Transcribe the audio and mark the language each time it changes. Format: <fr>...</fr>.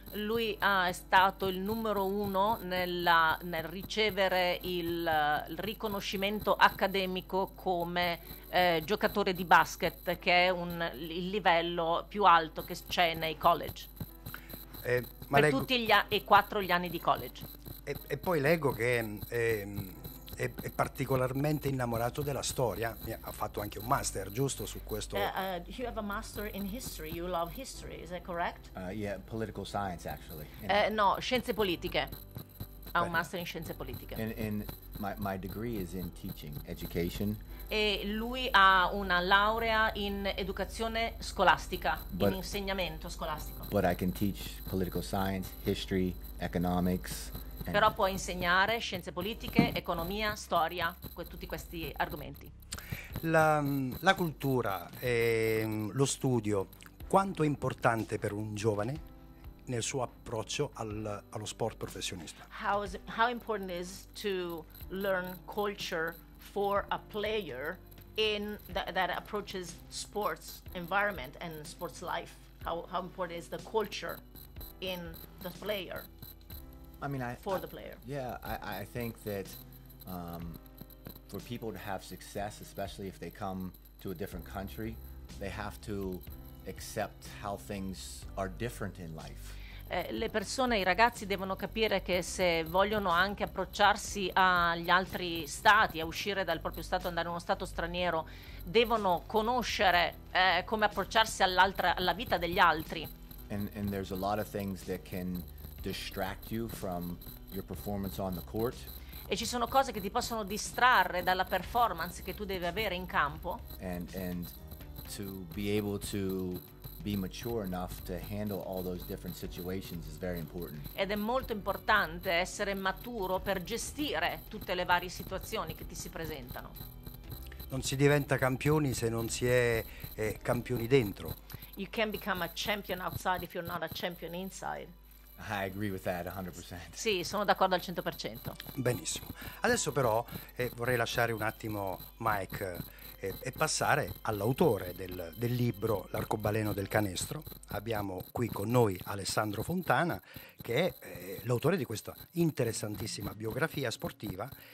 <it>Lui è stato il numero uno nel ricevere il riconoscimento accademico come giocatore di basket, che è il livello più alto che c'è nei college. Ma per leggo... tutti gli e quattro gli anni di college. E poi leggo che è particolarmente innamorato della storia. Ha fatto anche un master, giusto, su questo.</it> <en>You have a master in history. You love history, is that correct? Yeah, political science, actually.</en> <it>No, scienze politiche. Ha un master in scienze politiche.</it> <en>And my degree is in teaching, education.</en> <it>E lui ha una laurea in educazione scolastica, in insegnamento scolastico.</it> <en>But I can teach political science, history, economics.</en> <it>Però può insegnare scienze politiche, economia, storia, tutti questi argomenti. La cultura e lo studio, quanto è importante per un giovane nel suo approccio allo sport professionista?</it> <en>How important is to learn culture for a player in that approaches sports environment and sports life? How important is the culture in the player? I think that for people to have success, especially if they come to a different country, they have to accept how things are different in life.</en> <it>Le persone, i ragazzi devono capire che se vogliono anche approcciarsi agli altri stati, a uscire dal proprio stato, andare in uno stato straniero, devono conoscere come approcciarsi alla vita degli altri.</it> <en>And there's a lot of things that can distract you from your performance on the court.</en> <it>E ci sono cose che ti possono distrarre dalla performance che tu devi avere in campo.</it> <en>And to be able to be mature enough to handle all those different situations is very important.</en> <it>Ed è molto importante essere maturo per gestire tutte le varie situazioni che ti si presentano. Non si diventa campioni se non si è campioni dentro.</it> <en>You can become a champion outside if you're not a champion inside. I agree with that 100%.</en> <it>Sì, sono d'accordo al 100%. Benissimo. Adesso però vorrei lasciare un attimo Mike e passare all'autore del libro L'arcobaleno del canestro. Abbiamo qui con noi Alessandro Fontana, che è l'autore di questa interessantissima biografia sportiva.</it>